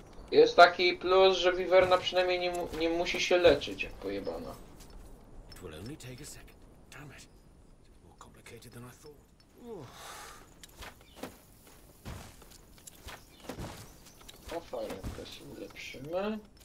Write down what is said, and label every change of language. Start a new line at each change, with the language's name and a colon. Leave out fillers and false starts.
Polish: Jest taki plus, że wiwerna przynajmniej nie musi się leczyć, jak pojebana.
English: It will only take a second. Damn it. It's more complicated than I thought.
Polish: O, fajnie, to się ulepszymy.